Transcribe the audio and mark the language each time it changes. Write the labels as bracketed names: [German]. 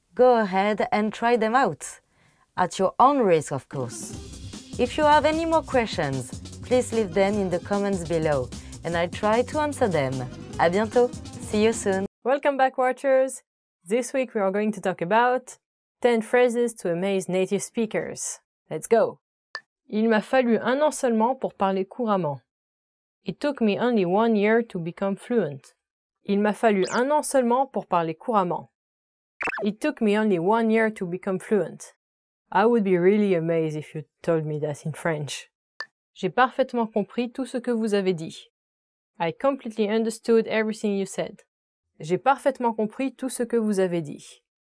[English] Go ahead and try them out. At your own risk, of course. If you have any more questions, please leave them in the comments below and I'll try to answer them. [French] À bientôt. [English] See you soon. Welcome back, watchers. This week we are going to talk about 10 phrases to amaze native speakers. Let's go. [French] Il m'a fallu un an seulement pour parler couramment. [English] It took me only 1 year to become fluent. [French] Il m'a fallu un an seulement pour parler couramment. [English] It took me only 1 year to become fluent. I would be really amazed if you told me that in French. [French] J'ai parfaitement compris tout ce que vous avez dit. [English] I completely understood everything you said. [French] J'ai parfaitement compris tout ce que vous avez dit.